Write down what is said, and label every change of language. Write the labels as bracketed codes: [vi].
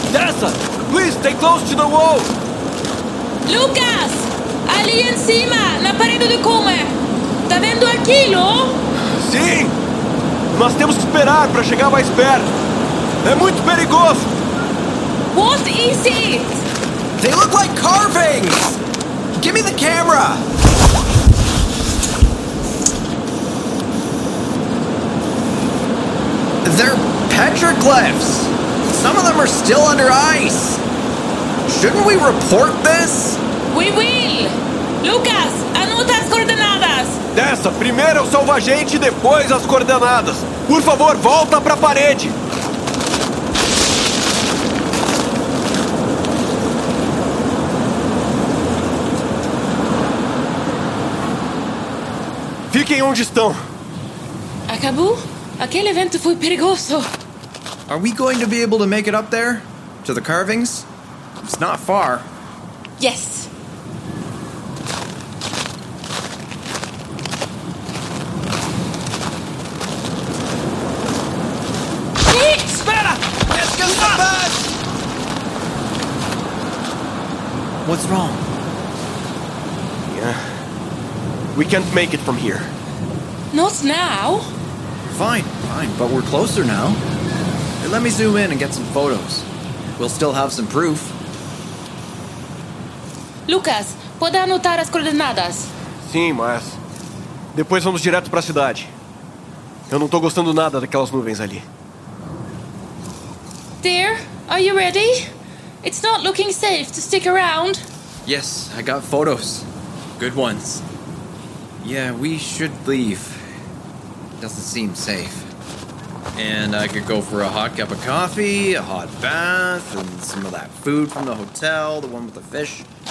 [en] Tessa, please stay close to the wall! Lucas! [pt] Ali em cima, na parede do comer! Tá vendo aquilo? Sim! Nós temos que esperar para chegar mais perto! É muito perigoso! [en] What is it? They look like carvings! Give me the camera! They're petroglyphs! Some of them are still under ice! Shouldn't we report this? We will! [pt] Lucas, anota as coordenadas! Tessa, primeiro eu salvo a gente e depois as coordenadas! Por favor, volta pra parede! Fiquem onde estão. Acabou? Aquele evento foi perigoso. [en] Are we going to be able to make it up there? To the carvings? It's not far. Yes. [pt] Espera! Escapa! [en] What's wrong? Yeah. We can't make it from here. Not now. Fine, but we're closer now. Hey, let me zoom in and get some photos. We'll still have some proof. [pt] Lucas, pode anotar as coordenadas? Sim, mas depois vamos direto para a cidade. Eu não tô gostando nada daquelas nuvens ali. [en] Dear, are you ready? It's not looking safe to stick around. Yes, I got photos. Good ones. Yeah, we should leave. Doesn't seem safe. And I could go for a hot cup of coffee, a hot bath, and some of that food from the hotel, the one with the fish.